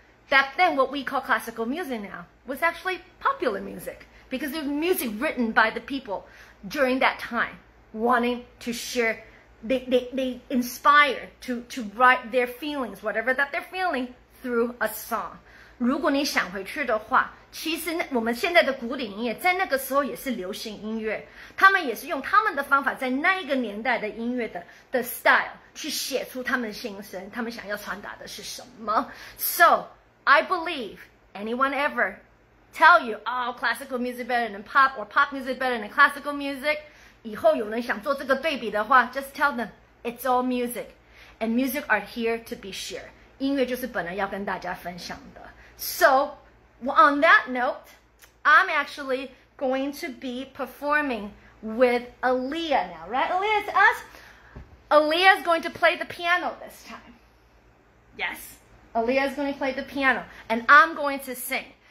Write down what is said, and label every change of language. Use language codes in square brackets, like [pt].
[en] Back then, what we call classical music now was actually popular music. Because of music written by the people during that time, wanting to share, they inspire to write their feelings, whatever that they're feeling, through a song. [zh] 如果你想回去的话，其实我们现在的古典音乐在那个时候也是流行音乐，他们也是用他们的方法在那一个年代的音乐的 style 去写出他们心声，他们想要传达的是什么。 [en] So, I believe anyone ever,tell you, oh, classical music better than pop, or pop music better than classical music. [zh] 以后有人想做这个对比的话 [en] just tell them, it's all music. And music are here to be shared. [zh] 音乐就是本来要跟大家分享的。 [en] So, on that note, I'm actually going to be performing with Aaliyah now, right? Aaliyah, it's us. Aaliyah is going to play the piano this time. Yes, Aaliyah is going to play the piano, and I'm going to sing.